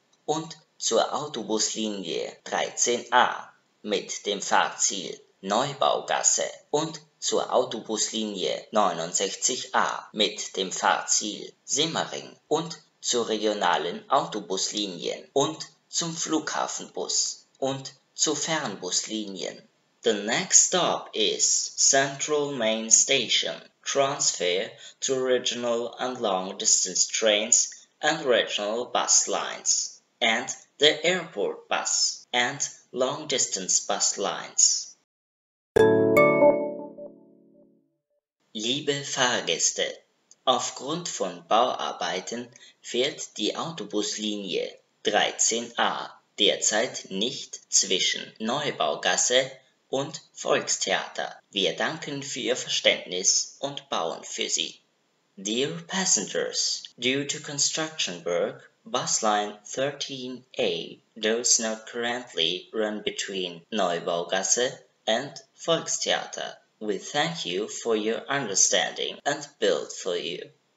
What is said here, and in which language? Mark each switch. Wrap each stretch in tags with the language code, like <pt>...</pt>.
<de>und zur Autobuslinie 13a mit dem Fahrziel Neubaugasse und zur Autobuslinie 69a mit dem Fahrziel Simmering und zu regionalen Autobuslinien und zum Flughafenbus und zu Fernbuslinien.</de> <en>The next stop is Central Main Station. Transfer to regional and long distance trains and regional bus lines and the airport bus and long distance bus lines.</en> <de>Liebe Fahrgäste, aufgrund von Bauarbeiten fährt die Autobuslinie 13a derzeit nicht zwischen Neubaugasse und Volkstheater. Wir danken für Ihr Verständnis und bauen für Sie.</de> <en>Dear passengers, due to construction work, Busline 13A does not currently run between Neubaugasse and Volkstheater. We thank you for your understanding and build for you.</en>